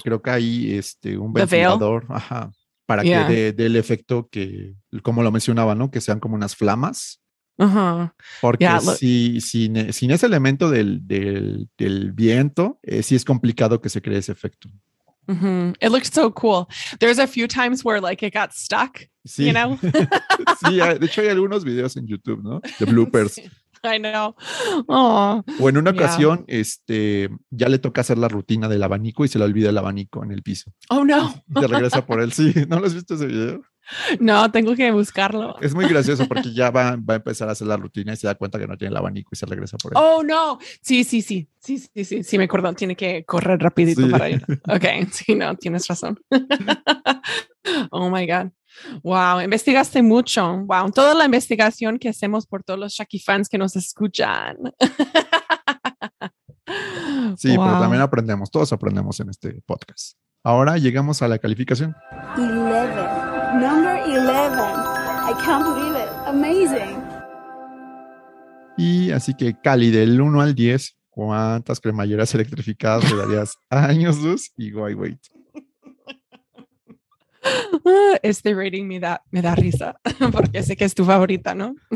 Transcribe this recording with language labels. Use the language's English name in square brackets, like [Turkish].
[Spanish] Creo que ahí un ventilador, ajá, para yeah. que dé el efecto que, como lo mencionaba, ¿no? Que sean como unas flamas. Uh-huh. Porque yeah, sin ese elemento del viento, sí es complicado que se cree ese efecto. [English] Mm-hmm. It looks so cool. There's a few times where like it got stuck, [Spanish] sí. [English] you know? [Spanish] Sí, de hecho hay algunos videos en YouTube, ¿no? De bloopers. Sí, [English] I know. Aww. [Spanish] O en una ocasión, yeah. Ya le toca hacer la rutina del abanico y se le olvida el abanico en el piso. [English] Oh, no. [Spanish] Y se regresa por él. Sí, ¿no lo has visto ese video? No, tengo que buscarlo. Es muy gracioso porque ya va a empezar a hacer la rutina y se da cuenta que no tiene el abanico y se regresa por él. [English] Oh, no. [Spanish] Sí, me acuerdo. Tiene que correr rapidito sí. para ir. Ok, sí, no, tienes razón. [English] Oh, my God. [Spanish] Wow, investigaste mucho. Wow, toda la investigación que hacemos por todos los Shaki fans que nos escuchan. Sí, wow. Pero también aprendemos, todos aprendemos en este podcast. Ahora llegamos a la calificación. 11. [English] Number 11. I can't believe it. Amazing. [Spanish] Y así que, Cali, del 1 al 10, ¿cuántas cremalleras electrificadas le darías a Años Luz y Why Wait? Este rating me da risa, porque sé que es tu favorita, ¿no?